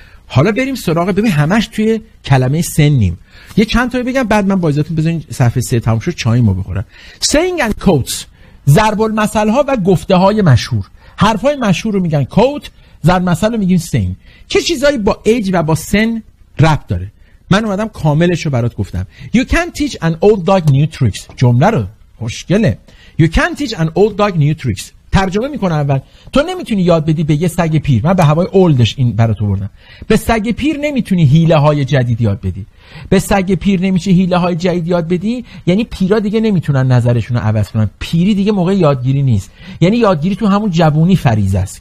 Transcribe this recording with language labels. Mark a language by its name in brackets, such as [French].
[Persian] حالا بریم سراغ ببین همش توی کلمه سنیم. یه چند تایی بگم بعد من با اجازهتون بزنین صفحه 3 تموم شد چای ما بخورم. [English] saying and quotes [Persian] ضرب المثل ها و گفته های مشهور. حرف های مشهور رو میگن quote، ضرب المثل رو میگیم saying. چه چیزایی با age و با سن ربط داره؟ من اومدم کاملش رو برات گفتم. [English] you can teach an old dog new tricks. [Persian] جمله رو خوشگله. [English] you can teach an old dog new tricks. [Persian] ترجمه میکنه اول. تو نمیتونی یاد بدی به یه سگ پیر، من به هوای اولدش این برات آوردم، به سگ پیر نمیتونی حیله های جدید یاد بدی. به سگ پیر نمیشه حیله های جدید یاد بدی، یعنی پیرا دیگه نمیتونن نظرشون رو عوض کنن. پیری دیگه موقع یادگیری نیست، یعنی یادگیری تو همون جوونی فریضه است.